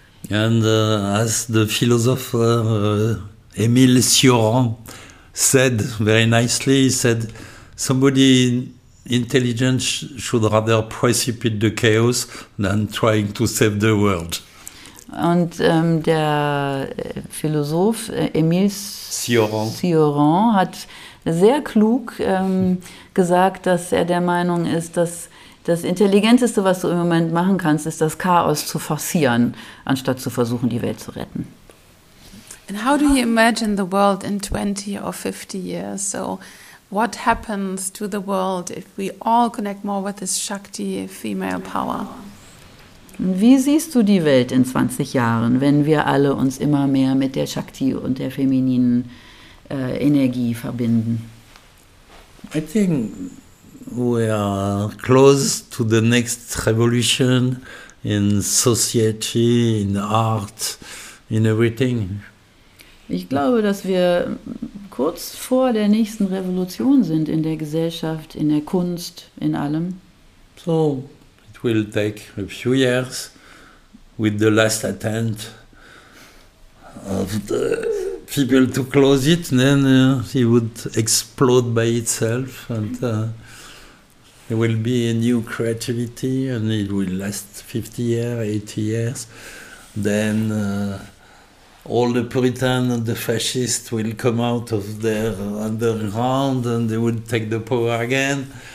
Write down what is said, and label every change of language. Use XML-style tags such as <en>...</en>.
<en>And as the philosopher Émile Cioran said very nicely, he said, somebody intelligent should rather precipitate the chaos than trying to save the world.</en> <de>Und der Philosoph Émile Cioran hat sehr klug gesagt, dass er der Meinung ist, dass das Intelligenteste, was du im Moment machen kannst, ist, das Chaos zu forcieren, anstatt zu versuchen, die Welt zu retten.</de> <en>And how do you imagine the world in 20 or 50 years? So what happens to the world if we all connect more with this Shakti, female power?</en> <de>Wie siehst du die Welt in 20 Jahren, wenn wir alle uns immer mehr mit der Shakti und der femininen Energie verbinden?</de> <en>I think we are close to the next revolution in society, in art, in everything.</en> <de>Ich glaube, dass wir kurz vor der nächsten Revolution sind in der Gesellschaft, in der Kunst, in allem.</de> <en>So, it will take a few years with the last attempt of the people to close it, then it would explode by itself, and there will be a new creativity, and it will last 50 years, 80 years, then all the Puritans and the fascists will come out of their underground and they will take the power again.</en>